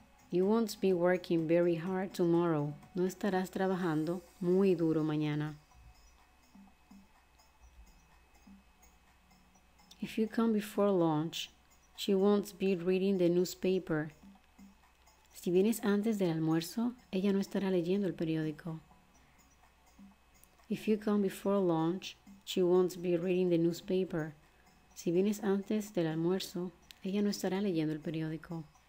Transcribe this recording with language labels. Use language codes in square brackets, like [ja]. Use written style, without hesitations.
[en] You won't be working very hard tomorrow. [es] No estarás trabajando muy duro mañana. [en] If you come before lunch, she won't be reading the newspaper. [es] Si vienes antes del almuerzo, ella no estará leyendo el periódico. [en] If you come before lunch, she won't be reading the newspaper. [es] Si vienes antes del almuerzo, ella no estará leyendo el periódico.